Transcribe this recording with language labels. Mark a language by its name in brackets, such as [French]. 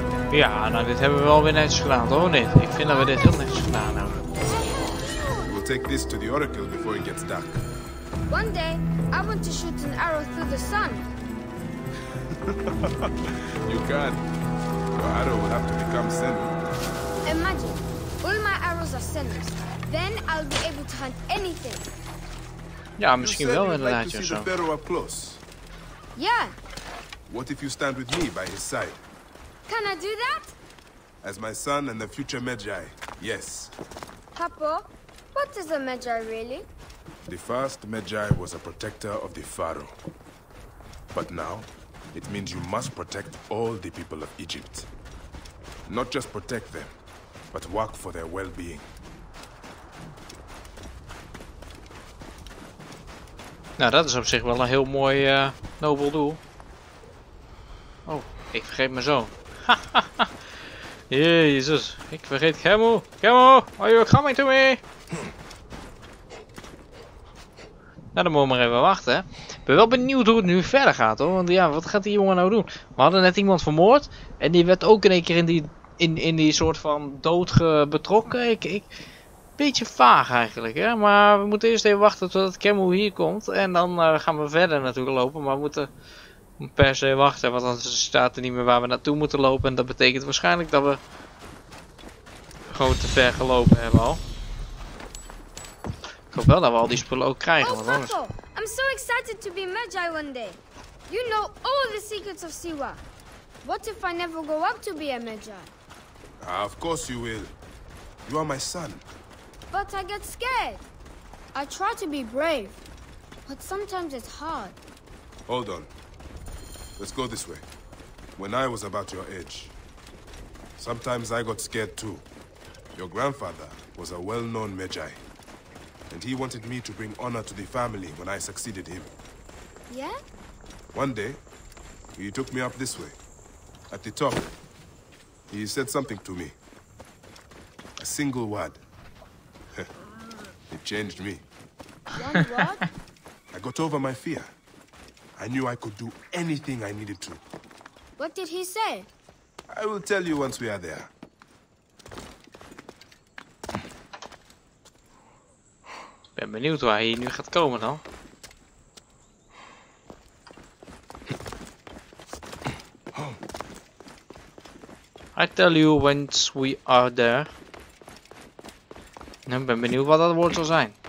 [Dutch] Ja, nou dit hebben we wel weer netjes gedaan, toch? Nee, ik vind dat we dit heel netjes gedaan hebben. [English] We'll take this to the Oracle before it gets dark. One day, I want to shoot an arrow through the sun. You can. Your arrow will have to become sender. Imagine, all my arrows are senders. Then I'll be able to hunt anything. [Dutch] Ja, misschien wel inderdaad, [English] like [Dutch] of zo. [English] The Pharaoh up close. Yeah. What if you stand with me by his side? Can I do that? As my son and the future Magi, yes. Papa, what is a Magi really? The first Magi was a protector of the Pharaoh. But now, it means you must protect all the people of Egypt. Not just protect them, but work for their well-being. [Dutch] Nou, dat is op zich wel een heel mooi, nobel doel. Oh, ik vergeet mijn zoon. Jezus, ik vergeet Kemo. [English] Kemo, are you coming to me? [Dutch] Nou, dan moeten we maar even wachten. Ik ben wel benieuwd hoe het nu verder gaat, hoor. Want ja, wat gaat die jongen nou doen? We hadden net iemand vermoord. En die werd ook in een keer in die soort van dood betrokken. Ik beetje vaag eigenlijk, hè. Maar we moeten eerst even wachten totdat Kemo hier komt. En dan gaan we verder natuurlijk lopen. Maar we moeten per se wachten, want dan staat er niet meer waar we naartoe moeten lopen. En dat betekent waarschijnlijk dat we gewoon te ver gelopen hebben al. Ik hoop wel dat we al die spullen ook krijgen. Oh, Fuffle, [English] I'm so excited to be Magi one day. You know all the secrets of Siwa. What if I never grow up to be a Magi? Of course you will. You are my son. But I get scared. I try to be brave. But sometimes it's hard. Hold on. Let's go this way. When I was about your age, sometimes I got scared too. Your grandfather was a well-known Magi, and he wanted me to bring honor to the family when I succeeded him. Yeah? One day, he took me up this way. At the top, he said something to me. A single word. It changed me. One word? I got over my fear. I knew I could do anything I needed to. What did he say? I will tell you once we are there. [Dutch] Ik ben benieuwd waar hij nu gaat komen dan. [English] I tell you once we are there. [Dutch] Ik ben benieuwd wat dat woord zal zijn.